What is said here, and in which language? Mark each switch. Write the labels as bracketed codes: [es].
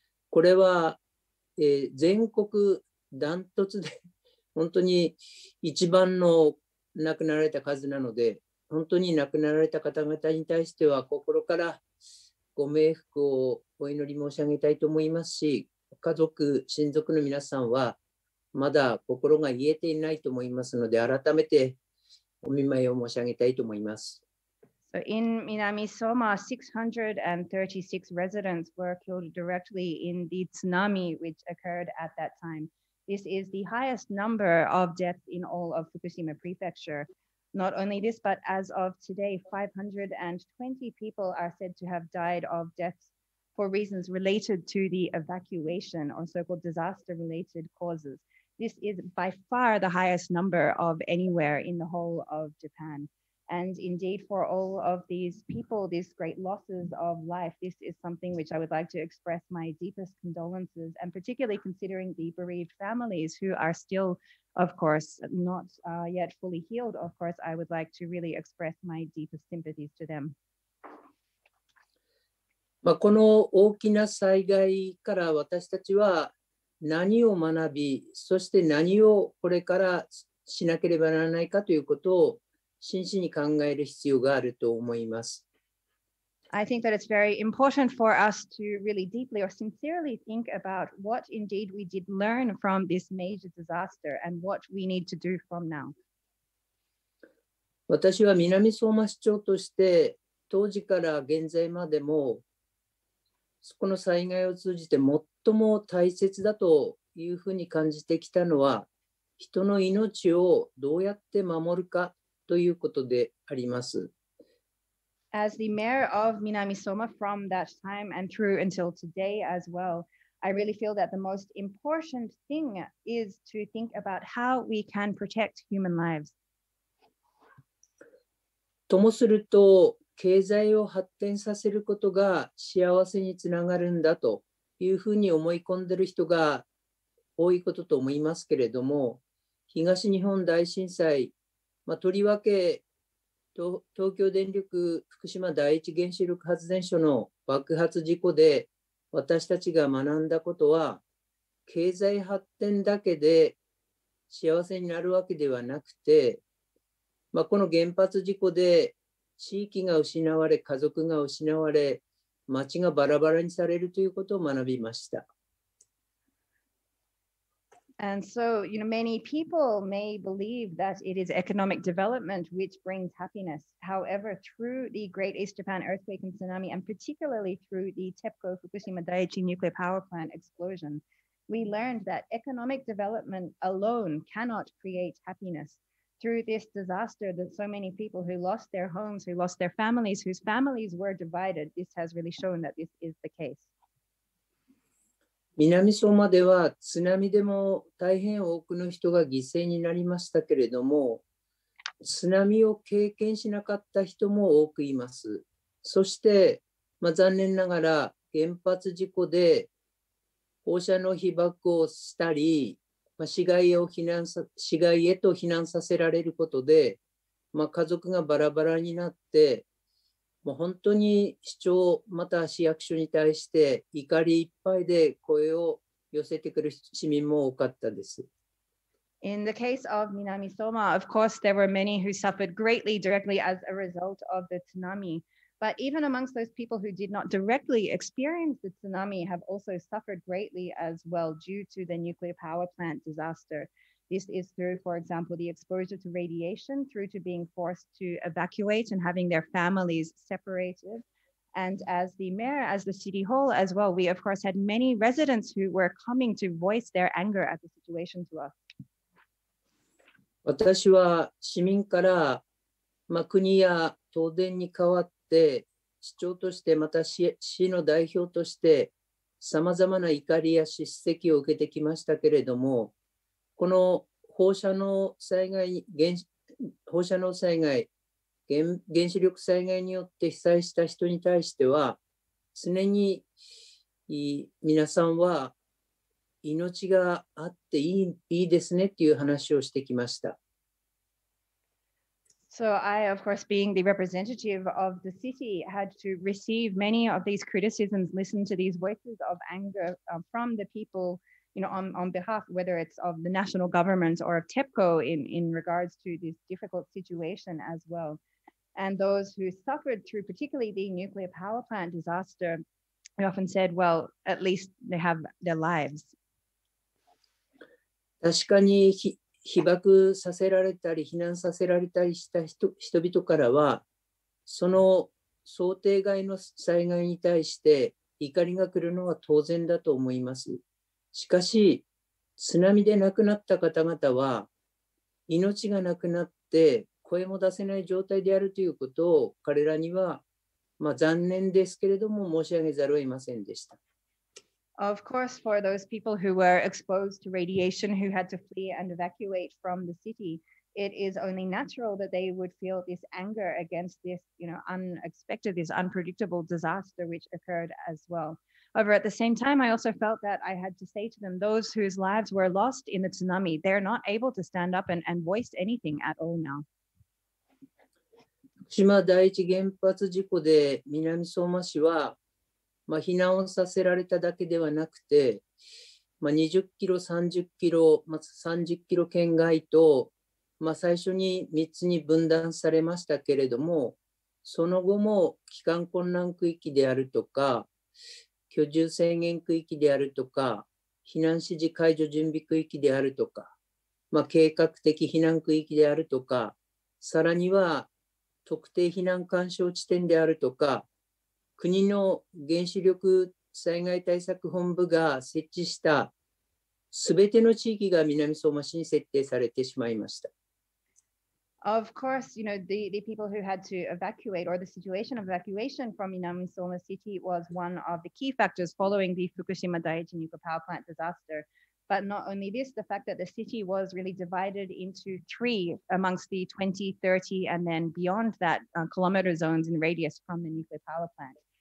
[ja] これは、全国ダントツで本当に一番の亡くなられた数なので、本当に亡くなられた方々に対しては心からご冥福をお祈り申し上げたいと思いますし、家族親族の皆さんはまだ心が癒えていないと思いますので、改めてお見舞いを申し上げたいと思います。 [en] So、in Minami Soma, 636 residents were killed directly in the tsunami which occurred at that time. This is the highest number of deaths in all of Fukushima Prefecture. Not only this, but as of today, 520 people are said to have died of deaths for reasons related to the evacuation or so-called disaster-related causes. This is by far the highest number of anywhere in the whole of Japan. And indeed, for all of these people, these great losses of life, this is something which I would like to express my deepest condolences, and particularly considering the bereaved families who are still, of course, not yet fully healed, of course, I would like to really express my deepest sympathies to them. [ja] まあ、この大きな災害から私たちは何を学び、そして何をこれからしなければならないかということを真摯に考える必要があると思います。 [en] I think that it's very important for us to really deeply or sincerely think about what indeed we did learn from this major disaster and what we need to do from now. [ja] 私は南相馬市長として当時から現在までもそこの災害を通じて最も大切だというふうに感じてきたのは、人の命をどうやって守るかということであります。 [en] As the mayor of Minami Soma from that time and through until today as well, I really feel that the most important thing is to think about how we can protect human lives. [ja] ともすると、経済を発展させることが幸せにつながるんだというふうに思い込んでいる人が多いことと思いますけれども、東日本大震災、まあ、とりわけ東京電力福島第一原子力発電所の爆発事故で私たちが学んだことは、経済発展だけで幸せになるわけではなくて、まあ、この原発事故で地域が失われ、家族が失われ、町がバラバラにされるということを学びました。 [en] And so, you know, many people may believe that it is economic development which brings happiness. However, through the Great East Japan Earthquake and Tsunami, and particularly through the TEPCO Fukushima Daiichi Nuclear Power Plant explosion, we learned that economic development alone cannot create happiness. Through this disaster, that so many people who lost their homes, who lost their families, whose families were divided, this has really shown that this is the case. [ja] 南相馬では津波でも大変多くの人が犠牲になりましたけれども、津波を経験しなかった人も多くいます。そして、まあ、残念ながら原発事故で放射能被曝をしたり、まあ、市街へと避難させられることで、まあ、家族がバラバラになって、もう本当に市長また市役所に対して怒りいっぱいで声を寄せてくる市民も多かったです。 [en] In the case of Minami Soma, of course, there were many who suffered greatly directly as a result of the tsunami. But even amongst those people who did not directly experience the tsunami have also suffered greatly as well due to the nuclear power plant disaster. This is through, for example, the exposure to radiation, through to being forced to evacuate and having their families separated. And as the mayor, as the city hall as well, we of course had many residents who were coming to voice their anger at the situation to us. [ja] 私は市民から、まあ、国や東電に代わって市長としてまた 市の代表としてさまざまな怒りや叱責を受けてきましたけれども、この放射能災害、原子力災害によって被災した人に対しては、常に皆さんは命があっていいですねっていう話をしてきました。 [en] So I, of course, being the representative of the city, had to receive many of these criticisms, listen to these voices of anger from the people. You know, on behalf, whether it's of the national government or of TEPCO in regards to this difficult situation as well. And those who suffered through particularly the nuclear power plant disaster, they often said, well, at least they have their lives. [ja] 確かに被爆させられたり避難させられたりした人々からは、その想定外の災害に対して怒りが来るのは当然だと思います。しかし、津波で亡くなった方々は、命がなくなって声も出せない状態であるということを彼らには、まあ、残念ですけれども申し上げざるを得ませんでした。 [en] Of course, for those people who were exposed to radiation, who had to flee and evacuate from the city, it is only natural that they would feel this anger against this, you know, unexpected, this unpredictable disaster which occurred as well. However, at the same time, I also felt that I had to say to them, those whose lives were lost in the tsunami, they're not able to stand up and voice anything at all now. [ja] 福島第一原発事故で南相馬市は、まあ、避難をさせられただけではなくて、まあ、20キロ、30キロ、まあ、30キロ圏外と、まあ、最初に3つに分断されましたけれども、その後も帰還困難区域であるとか、居住制限区域であるとか、避難指示解除準備区域であるとか、まあ、計画的避難区域であるとか、さらには特定避難勧奨地点であるとか、国の原子力災害対策本部が設置したすべての地域が南相馬市に設定されてしまいました。 [en] Of course, you know, the people who had to evacuate or the situation of evacuation from Minami Soma City was one of the key factors following the Fukushima Daiichi nuclear power plant disaster. But not only this, the fact that the city was really divided into three amongst the 20, 30 and then beyond that kilometer zones in radius from the nuclear power plant.